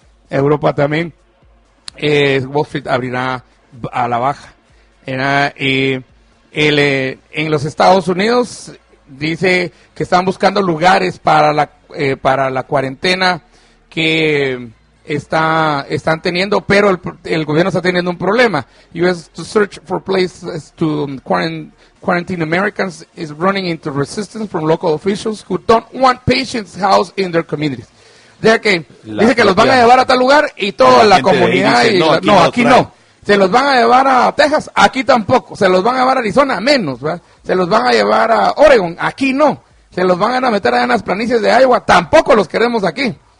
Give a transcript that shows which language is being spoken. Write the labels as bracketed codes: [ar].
[es] Europa también, Wall Street abrirá a la baja. En los Estados Unidos dice que están buscando lugares para la cuarentena que están teniendo, pero el gobierno está teniendo un problema. [en] U.S. to search for places to quarantine Americans is running into resistance from local officials who don't want patients housed in their communities. [es] Dice que los van a llevar a tal lugar y toda la comunidad dice, aquí no. Se los van a llevar a Texas, aquí tampoco. Se los van a llevar a Arizona, menos, ¿verdad? Se los van a llevar a Oregon, aquí no. Se los van a meter allá en las planicies de Iowa, tampoco los queremos aquí.